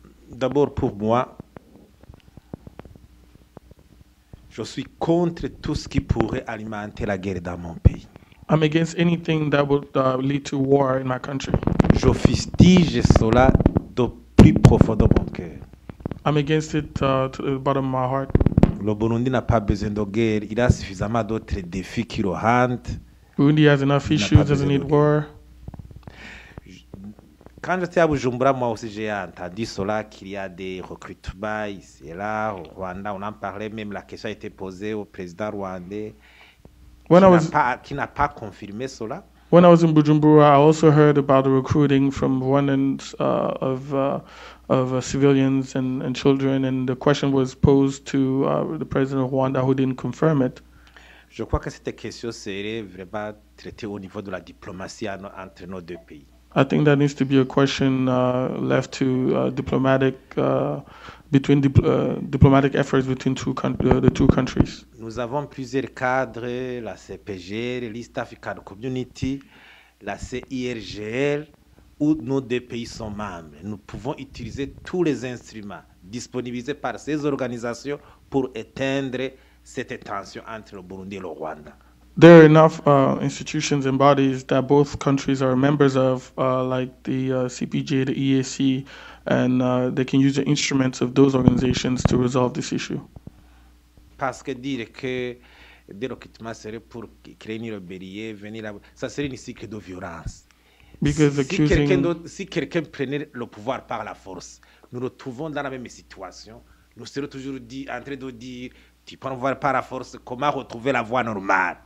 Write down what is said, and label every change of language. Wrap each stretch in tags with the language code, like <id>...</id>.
<fr>D'abord pour moi, je suis contre tout ce qui pourrait alimenter la guerre dans mon pays.</fr> <en>I'm against anything that would lead to war in my country.</en> <fr>Je fustige cela du plus profond de mon cœur.</fr> <en>I'm against it to the bottom of my heart.</en> <fr>Le Burundi n'a pas besoin de guerre. Il a suffisamment d'autres défis qui le hantent.</fr> <en>Burundi has enough issues. Doesn't need war.</en> <fr>Quand j'étais à Bujumbura, moi aussi j'ai entendu cela qu'il y a des recrutements ici et là au Rwanda. On en parlait, même la question a été posée au président rwandais.</fr> <en>When I was in Bujumbura, I also heard about the recruiting from Rwandans of civilians and children, and the question was posed to the president of Rwanda, who didn't confirm it.</en> <fr>Je crois que cette question serait vraiment traitée au niveau de la diplomatie entre nos deux pays.</fr> <en>I think that needs to be a question left to diplomatic between diplomatic efforts between the two countries.</en> <fr>Nous avons plusieurs cadres, la CPG, l'East African Community, la CIRGL, où nos deux pays sont membres. Nous pouvons utiliser tous les instruments disponibilisés par ces organisations pour éteindre cette tension entre le Burundi et le Rwanda.</fr> <en>There are enough institutions and bodies that both countries are members of, like the CPG, the EAC, and they can use the instruments of those organizations to resolve this issue.</en> <fr>Parce que dire que des recrutements seraient pour créer une rébellion, venir là, ça serait une cycle de violence.</fr> <en>Because</en> <fr>si quelqu'un prenait le pouvoir par la force, nous nous trouvons dans la même situation. Nous serons toujours en train de dire, tu prends le pouvoir par la force, comment retrouver la voie normale?</fr>